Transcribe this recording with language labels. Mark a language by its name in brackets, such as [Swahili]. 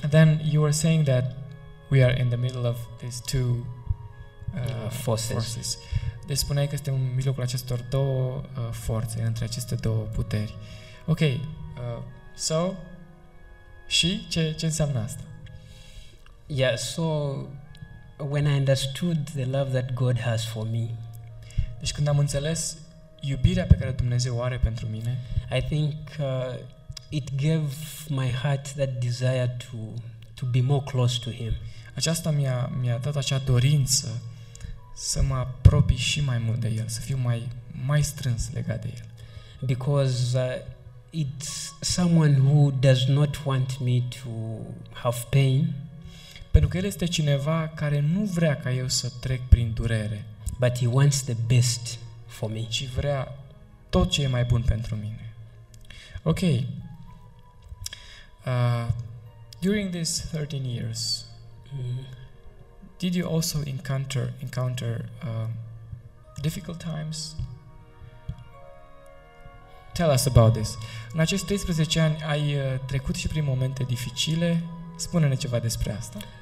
[English] Then you were saying that we are in the middle of these two forces. [Romanian] Deci spuneai că suntem în mijlocul acestor două forțe, între aceste două puteri. [English] Ok, so, [Romanian] și ce înseamnă asta? [English] Yeah, so when I understood the love that God has for me. [Romanian] Deci când am înțeles iubirea pe care Dumnezeu o are pentru mine, [English] I think it gave my heart that desire to be more close to him. [Romanian] Aceasta mi-a dat acea dorință să mă apropii și mai mult de el, să fiu mai strâns legat de el. [English] Because it's someone who does not want me to have pain. [Romanian] Pentru că el este cineva care nu vrea ca eu să trec prin durere. [English] But he wants the best for me. [Romanian] Și vrea tot ce e mai bun pentru mine. [English] Ok. During these 13 years, did you also encounter difficult times? Tell us about this. [Romanian] În acești 13 ani ai trecut și prin momente dificile. Spune-ne ceva despre asta.